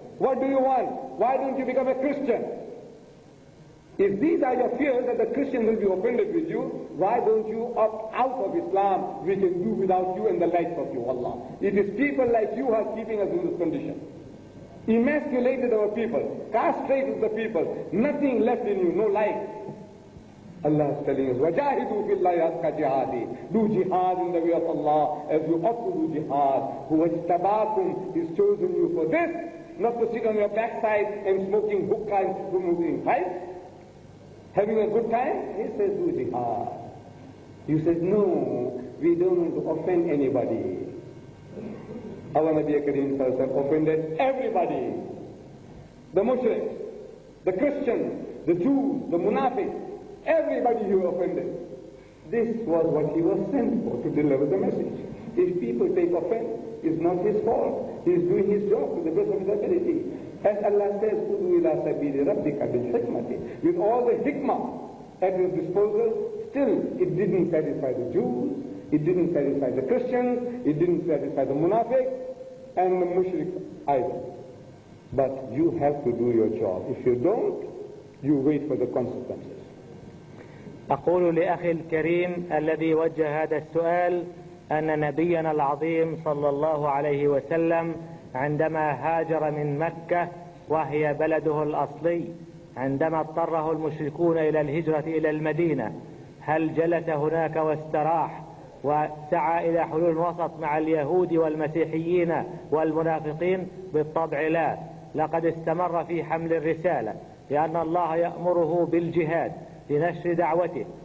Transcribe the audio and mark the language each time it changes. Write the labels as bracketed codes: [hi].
[en] What do you want? Why don't you become a Christian? If these are your fears that the Christians will be offended with you, why don't you opt out of Islam? We can do without you and the likes of you, Allah. It is people like you who are keeping us in this condition. Emasculated our people, castrated the people, nothing left in you, no life. Allah is telling us, [ar] وَجَاهِدُوا فِي اللَّهِ حَقَّ جِهَادِ. [en] Do jihad in the way of Allah as you ought to do jihad. Who has tabakum, He's chosen you for this, not to sit on your backside and smoking hookah and smoking pipe, having a good time. He says, do jihad. You said, no, we don't want to offend anybody. Our Nabi Kareem Sallallahu Alaihi Wasallam offended everybody. The Mushriks, the Christians, the Jews, the Munafiqs, everybody he offended. This was what he was sent for, to deliver the message. If people take offense, it's not his fault. He's doing his job to the best of his ability. As Allah says, [ar] Udu ila sabili rabbika bil hikmati. [en] With all the hikmah at his disposal, still it didn't satisfy the Jews, it didn't satisfy the Christians, it didn't satisfy the Munafiqs, and the Mushrik either. But you have to do your job. If you don't, you wait for the consequences. [ar] أقول لأخي الكريم الذي وجه هذا السؤال أن نبينا العظيم صلى الله عليه وسلم عندما هاجر من مكة وهي بلده الأصلي، عندما اضطره المشركون إلى الهجرة إلى المدينة، هل جلس هناك واستراح وسعى إلى حلول وسط مع اليهود والمسيحيين والمنافقين؟ بالطبع لا، لقد استمر في حمل الرسالة، لأن الله يأمره بالجهاد لنشر دعوته.